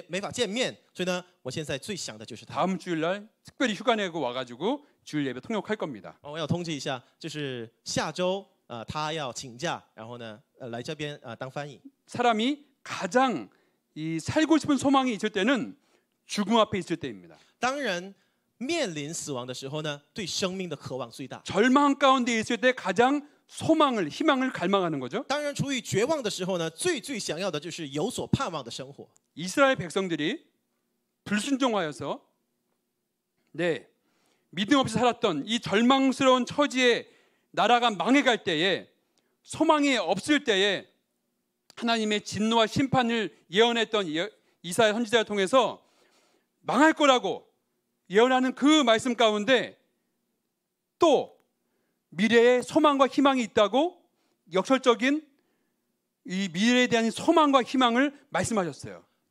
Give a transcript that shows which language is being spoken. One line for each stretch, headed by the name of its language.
Chinese: 比如说，亲爱的，我们郑成斌同工正在服兵役嘛，所以呢没法看见，没法见面，所以呢我现在最想的就是
Korean: 다음 주일날 특별히 휴가 내고 와가지고. 주일 예배 통역할 겁니다.
Chinese: 我要通知一下，就是下周，他要请假，然后呢，来这边当翻译。
Korean: 사람이 가장 이 살고 싶은 소망이 있을 때는 죽음 앞에 있을 때입니다.
Chinese: 当然，面临死亡的时候呢，对生命的渴望最大。
Korean: 절망 가운데 있을 때 가장 소망을 희망을 갈망하는 거죠.
Chinese: 当然，处于绝望的时候呢，最最想要的就是有所盼望的生活。
Korean: 이스라엘 백성들이 불순종하여서 네. 믿음 없이 살았던 이 절망스러운 처지에 나라가 망해갈 때에 소망이 없을 때에 하나님의 진노와 심판을 예언했던 이사야 선지자를 통해서 망할 거라고 예언하는 그 말씀 가운데 또 미래에 소망과 희망이 있다고 역설적인 이 미래에 대한 소망과 희망을 말씀하셨어요.